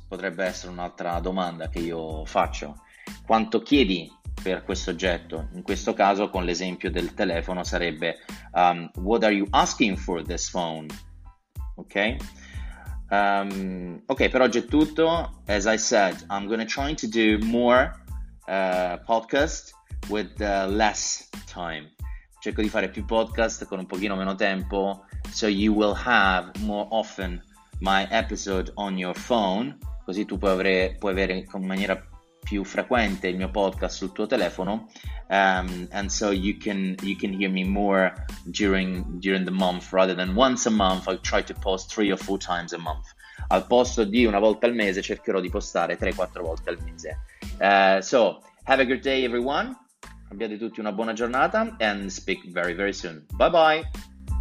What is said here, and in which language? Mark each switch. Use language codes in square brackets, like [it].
[it] Potrebbe essere un'altra domanda che io faccio. Quanto chiedi per questo oggetto? In questo caso, con l'esempio del telefono, sarebbe [en] what are you asking for this phone? [it] Ok? Ok, per oggi è tutto. [en] As I said, I'm gonna try to do more podcast with less time. [it] Cerco di fare più podcast con un pochino meno tempo, [en] so you will have more often my episode on your phone, [it] così tu puoi avere in maniera più frequente il mio podcast sul tuo telefono, [en] and so you can hear me more during the month rather than once a month. I try to post 3 or 4 times a month. [it] Al posto di una volta al mese cercherò di postare 3-4 volte al mese. [en] So have a great day everyone, [it] abbiate tutti una buona giornata, [en] and speak very very soon. Bye bye.